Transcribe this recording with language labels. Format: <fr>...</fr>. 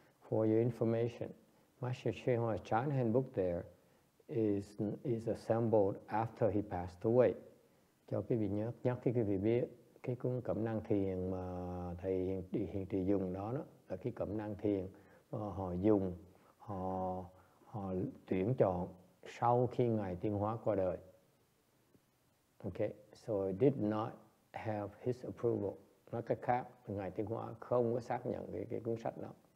<en>For your information, Master Shenhua's Chan Handbook there is assembled after he passed away.</en> <vi>Cho quý vị nhớ khi quý vị biết. Cái cuốn cẩm năng thiền mà thầy hiện trì dùng đó, đó là cái cẩm năng thiền mà họ dùng, họ tuyển chọn sau khi Ngài Tiên Hóa qua đời.</vi> <en>Okay, so it did not have his approval.</en> <vi>Nói cách khác, Ngài Tiên Hóa không có xác nhận cái cuốn sách đó.</vi>